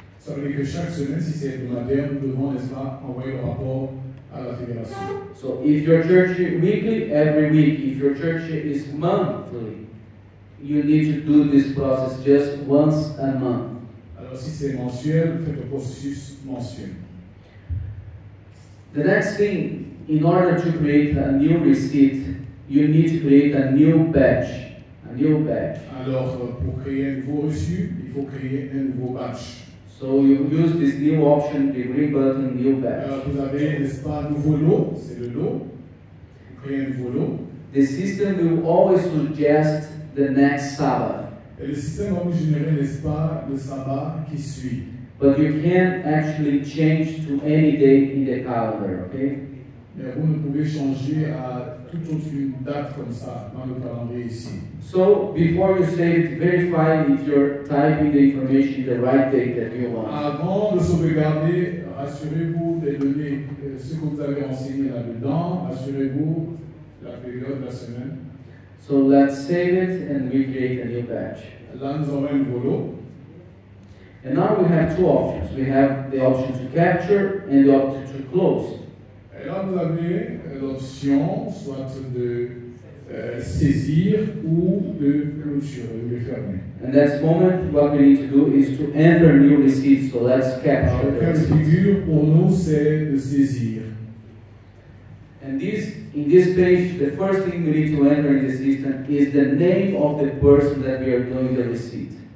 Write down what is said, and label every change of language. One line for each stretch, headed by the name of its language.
French: Ça veut dire que chaque semaine, si c'est hebdomadaire, nous devons, n'est-ce pas, envoyer le rapport à la fédération.
English: So if your church is weekly, every week. If your church is monthly, you need to do this process just once a month.
French: Alors si c'est mensuel, faites le processus mensuel.
English: The next thing, in order to create a new receipt, you need to create a new batch. A new batch.
French: Alors pour créer un nouveau reçu, il faut créer un nouveau batch.
English: So you use this new option, the green button, new batch.
French: Alors vous avez, n'est-ce pas, nouveau lot, c'est le lot. Vous créez un nouveau lot.
English: The system will always suggest the next Sabbath.
French: Et le système va vous générer, n'est-ce pas, le sabbat qui suit.
English: But you can actually change to any date in the calendar, okay?
French: Mais vous ne pouvez changer à toute autre date comme ça dans le calendrier ici.
English: So before you save it, verify if you're typing the information the right date that you want.
French: Avant de sauvegarder, assurez-vous de donner ce que vous avez enseigné là-dedans. Assurez-vous la période de la semaine.
English: So let's save it and we create a new batch. And now we have two options. We have the option to capture and the option to close.
French: Et là vous avez l'option soit de saisir ou de clôturer, de fermer.
English: And at this moment, what we need to do is to enter new receipts. So let's capture.
French: La figure pour nous c'est de saisir.
English: And this. In this page, the first thing we need to enter in the system is the name of the person that we are doing the receipt.